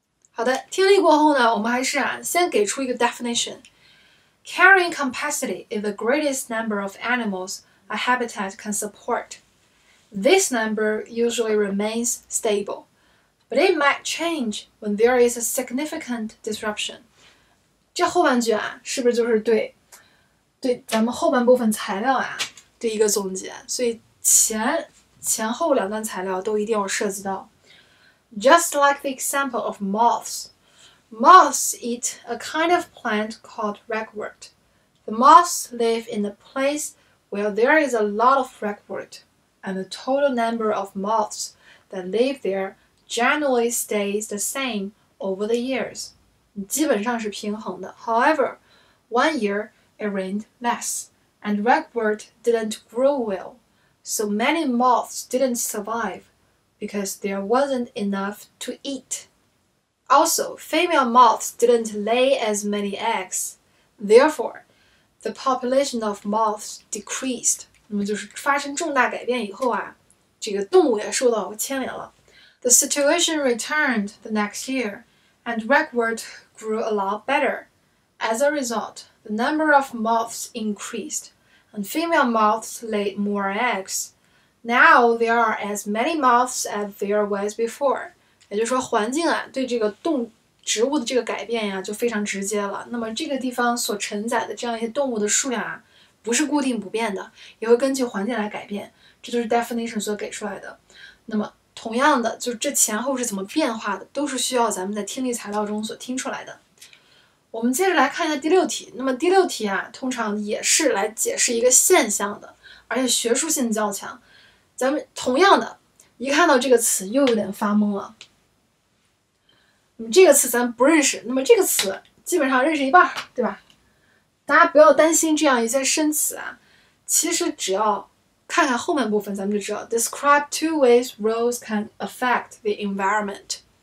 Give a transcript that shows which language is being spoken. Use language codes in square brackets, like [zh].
[zh] 好的，听力过后呢，我们还是啊，先给出一个 definition. [en] Carrying capacity is the greatest number of animals a habitat can support. This number usually remains stable, but it might change when there is a significant disruption. [zh] 这后半句啊，是不是就是对咱们后半部分材料啊的一个总结？所以前后两段材料都一定要涉及到。 [en] Just like the example of moths, moths eat a kind of plant called ragwort. The moths live in a place where there is a lot of ragwort, and the total number of moths that live there generally stays the same over the years. [zh] 基本上是平衡的。 [en] However, one year it rained less, and ragwort didn't grow well, so many moths didn't survive. Because there wasn't enough to eat. Also, female moths didn't lay as many eggs. Therefore, the population of moths decreased. [zh] 那么就是发生重大改变以后啊，这个动物也受到牵连了。 [en] The situation returned the next year, and ragwort grew a lot better. As a result, the number of moths increased, and female moths laid more eggs. Now there are as many moths as there was before. [zh] 也就是说环境啊对这个动植物的这个改变呀、啊、就非常直接了。那么这个地方所承载的这样一些动物的数量啊不是固定不变的，也会根据环境来改变。这就是 definition 所给出来的。那么同样的，就这前后是怎么变化的，都是需要咱们在听力材料中所听出来的。我们接着来看一下第六题。那么第六题啊通常也是来解释一个现象的，而且学术性较强。咱们同样的，一看到这个词又有点发懵了。这个词咱不认识，那么这个词基本上认识一半，对吧？大家不要担心这样一些生词啊，其实只要看看后面部分，咱们就知道。 [en] Describe two ways roles can affect the environment.